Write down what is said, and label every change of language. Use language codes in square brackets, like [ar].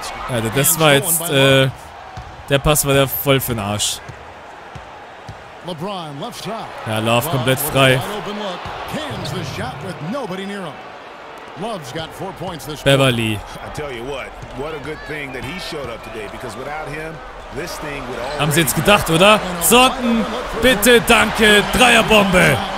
[de] Alter, das war jetzt, der Pass war ja voll für den Arsch. [en] LeBron, left shot. [de] Ja, Love komplett frei. [en] Cams the shot with nobody near him. Love's got 4 points this Beverly. I tell you what a good thing that he showed up today, because without him, this thing would all. [de] Haben Sie jetzt gedacht, oder? Sorten, bitte, danke, Dreierbombe.